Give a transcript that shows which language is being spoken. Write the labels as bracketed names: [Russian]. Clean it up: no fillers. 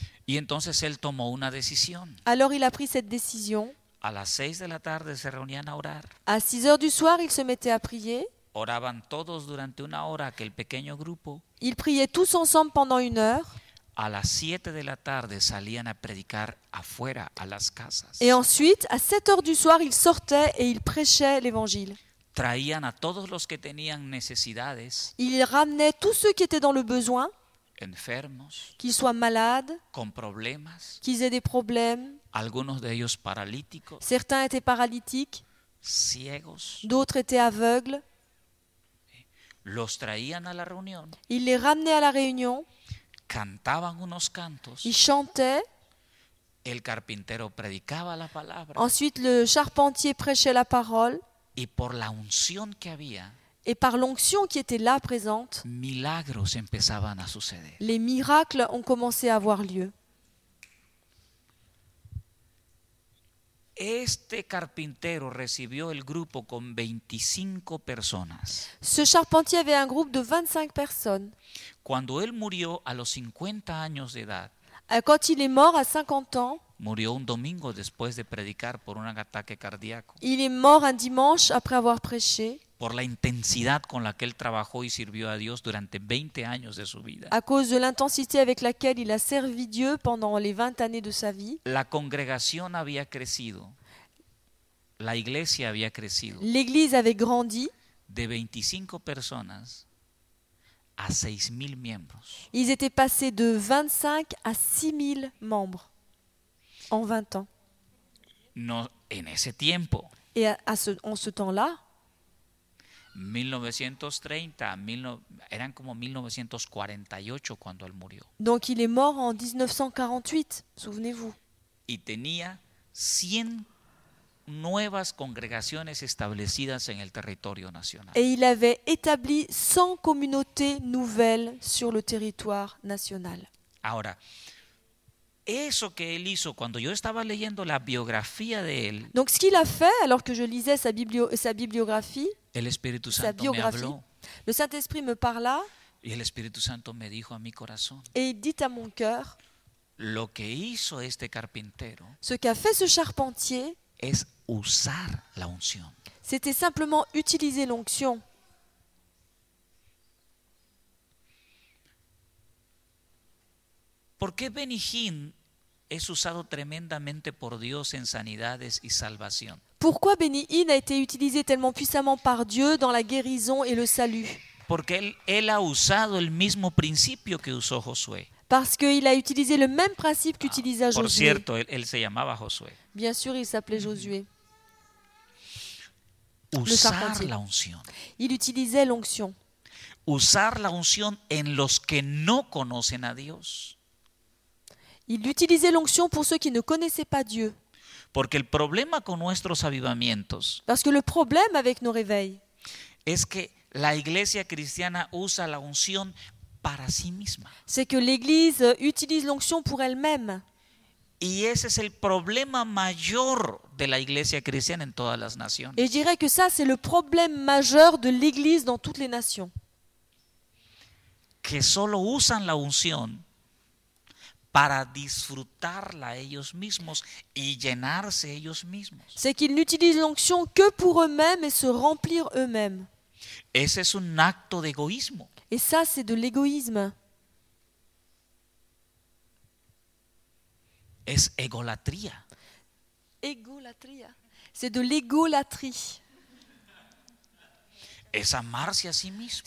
[Spanish] Y entonces él tomó una decisión. [French] Alors il a pris cette décision. [Spanish] A las 6 de la tarde se reunían a orar. [French] À 6 heures du soir, ils se mettaient à prier. [Spanish] Oraban todos durante una hora aquel pequeño grupo. [French] Ils priaient tous ensemble pendant une heure. [Spanish] A las 7 de la tarde salían a predicar afuera a las casas. [French] Et ensuite, à 7 heures du soir, ils sortaient et ils prêchaient l'évangile. [Spanish] Traían a todos los que tenían necesidades. [French] Ils ramenaient tous ceux qui étaient dans le besoin. [Spanish] Enfermos. [French] Qu'ils soient malades. [Spanish] Con problemas. [French] Qu'ils aient des problèmes. [Spanish] Algunos de ellos paralíticos. [French] Certains étaient paralytiques. [Spanish] Ciegos. [French] D'autres étaient aveugles. [Spanish] Los traían a la reunión. [French] Ils les ramenaient à la réunion. [Spanish] Cantaban unos cantos. [French] Ils chantaient. [Spanish] El carpintero predicaba la palabra. [French] Ensuite, le charpentier prêchait la parole. [Spanish] Y por la unción que había, [French] et par l'onction qui était là présente, [Spanish] milagros empezaban a suceder. [French] Les miracles ont commencé à avoir lieu. [Spanish] Este carpintero recibió el grupo con 25 personas. [French] Ce charpentier avait un groupe de 25 personnes. [Spanish] Cuando él murió a los 50 años de edad. [French] Quand il est mort à 50 ans. [Spanish] Murió un domingo después de predicar por un ataque cardíaco. [French] Il est mort un dimanche après avoir prêché. [Spanish] Por la intensidad con la que él trabajó y sirvió a Dios durante 20 años de su vida. [French] À cause de l'intensité avec laquelle il a servi Dieu pendant les 20 années de sa vie. [Spanish] La congregación había crecido. La iglesia había crecido. [French] L'église avait grandi. [Spanish] De 25 personas a 6000 miembros. [French] Ils étaient passés de 25 à 6000 membres en 20 ans. [Spanish] No, en ese tiempo. [French] Et en ce temps-là. [Spanish] 1930, eran como 1948 cuando él murió. [French] Donc il est mort en 1948, souvenez-vous. [Spanish] Y tenía 100 nuevas congregaciones establecidas en el territorio nacional. [French] Et il avait établi 100 communautés nouvelles sur le territoire national. [Spanish] Ahora, eso que él hizo cuando yo estaba leyendo la biografía de él. [French] Donc ce qu'il a fait alors que je lisais sa bibliographie. [Spanish] El Espíritu Santo me habló. [French] Le Saint-Esprit me parla. [Spanish] Y el Espíritu Santo me dijo a mi corazón. [French] Et il dit à mon cœur. [Spanish] Lo que hizo este carpintero. [French] Ce qu'a fait ce charpentier. [Spanish] Es usar la unción. [French] C'était simplement utiliser l'onction. [Spanish] ¿Por qué Benihin es usado tremendamente por Dios en sanidades y salvación? [French] Pourquoi Benihin a été utilisé tellement puissamment par Dieu dans la guérison et le salut? [Spanish] Porque él ha usado el mismo principio que usó Josué. [French] Parce qu'il a utilisé le même principe qu'utilisa Josué. [Spanish] Por cierto, él se llamaba Josué. [French] Bien sûr, il s'appelait Josué. [Spanish] Usar la unción. [French] Il utilisait l'onction. [Spanish] Usar la unción en los que no conocen a Dios. [French] Il utilisait l'onction pour ceux qui ne connaissaient pas Dieu. [Spanish] Porque el problema con nuestros avivamientos. [French] Parce que le problème avec nos réveils. [Spanish] Es que la iglesia cristiana usa la unción para sí misma. [French] C'est que l'église utilise l'onction pour elle-même. [Spanish] Y ese es el problema mayor de la iglesia cristiana en todas las naciones. [French] Et je dirais que ça c'est le problème majeur de l'église dans toutes les nations. [Spanish] Que solo usan la unción para disfrutarla ellos mismos y llenarse ellos mismos. [French] C'est qu'ils n'utilisent l'onction que pour eux-mêmes et se remplir eux-mêmes. [Spanish] Ese es un acto de egoísmo. [French] Et ça, c'est de l'égoïsme. [Spanish] Es égolatría. [French] Égolatría. C'est de l'égolatrie. [Spanish] Es amarse a sí mismo.